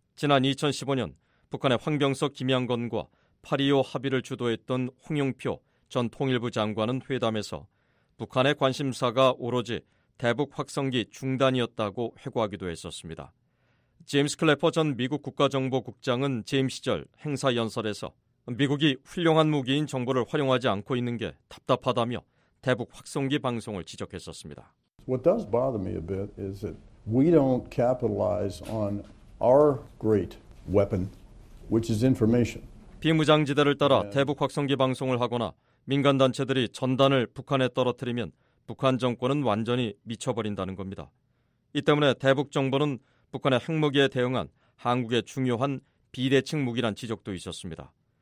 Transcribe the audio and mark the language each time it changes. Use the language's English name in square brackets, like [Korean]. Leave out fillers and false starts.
[Korean] 지난 2015년 북한의 황병석 김양건과 8.25 합의를 주도했던 홍용표 전 통일부 장관은 회담에서 북한의 관심사가 오로지 대북 확성기 중단이었다고 회고하기도 했었습니다. 제임스 클래퍼 전 미국 국가정보국장은 재임 시절 행사 연설에서 미국이 훌륭한 무기인 정보를 활용하지 않고 있는 게 답답하다며 대북 확성기 방송을 지적했었습니다. [English] What does bother me a bit is that we don't capitalize on our great weapon, which is information. [Korean] 비무장지대를 따라 대북 확성기 방송을 하거나 민간단체들이 전단을 북한에 떨어뜨리면 북한 정권은 완전히 미쳐버린다는 겁니다. 이 때문에 대북 정부는 북한의 핵무기에 대응한 한국의 중요한 비대칭 무기란 지적도 있었습니다.